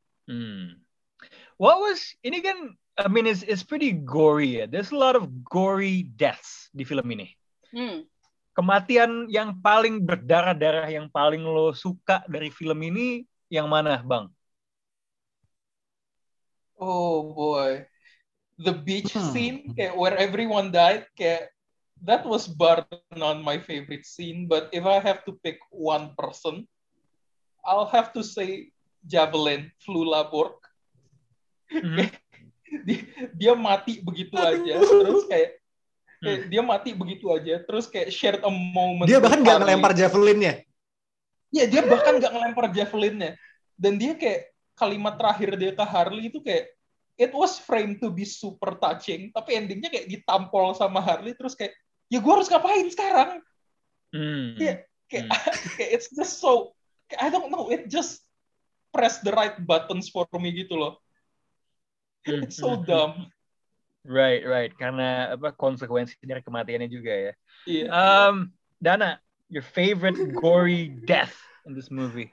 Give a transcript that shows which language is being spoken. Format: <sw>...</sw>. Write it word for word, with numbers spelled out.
<en>Hmm. What was,</en> <id>ini kan,</id> <en>I mean it's, it's pretty gory ya. There's a lot of gory deaths</en> <id>di film ini.</id> <en>Hmm.</en> <id>Kematian yang paling berdarah-darah, yang paling lo suka dari film ini, yang mana Bang?</id> <en>Oh boy. The beach scene, kayak, where everyone died, kayak, that was bar none my favorite scene. But if I have to pick one person, I'll have to say Javelin, Flula Borg.</en> <id>Mm-hmm. dia, dia mati begitu aja, terus kayak, kayak dia mati begitu aja, terus kayak</id> <en>shared a moment.</en> <id>Dia bahkan nggak ngelempar javelinnya. Ya, dia bahkan nggak ngelempar javelinnya. Dan dia kayak kalimat terakhir dia ke Harley itu kayak,</id> <en>it was framed to be super touching,</en> <id>tapi endingnya kayak ditampol sama Harley, terus kayak, ya gue harus ngapain sekarang? Mm. Yeah, kayak, mm.</id> <en>It's just so, I don't know, it just press the right buttons for me</en> <id>gitu loh.</id> <en>Mm. It's so dumb. Right, right.</en> <id>Karena apa konsekuensi dari kematiannya juga ya.</id> <en>Yeah. Um, Dana, your favorite gory death in this movie?</en>